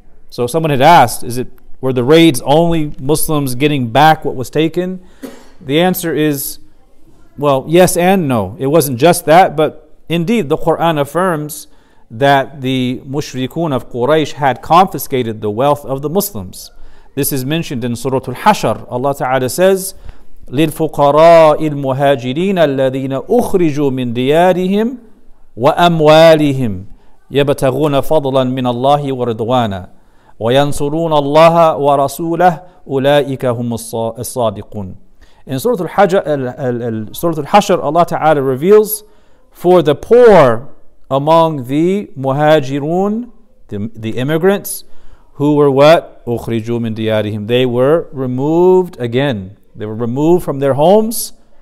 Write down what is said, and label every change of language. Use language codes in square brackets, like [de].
[en] So someone had asked, were the raids only Muslims getting back what was taken? The answer is, well, yes and no. It wasn't just that, but indeed the Quran affirms that the mushrikun of Quraysh had confiscated the wealth of the Muslims. This is mentioned in Surah Al-Hashr. Allah Ta'ala says, [ar] لِلْفُقَرَاءِ الْمُهَاجِرِينَ الَّذِينَ أُخْرِجُوا مِنْ دِيَارِهِمْ وَأَمْوَالِهِمْ يَبْتَغُونَ فَضْلًا مِنَ اللَّهِ وَرِضْوَانًا وَيَنْصُرُونَ اللَّهَ وَرَسُولَهُ أُولَٰئِكَ هُمُ الصَّادِقُونَ. [en] In Surah Al-Hashr, Allah Ta'ala reveals, for the poor among the muhajirun, the immigrants, who were what? [ar] أُخْرِجُوا مِنْ دِيَارِهِمْ. [en] They were removed again. They were removed from their homes.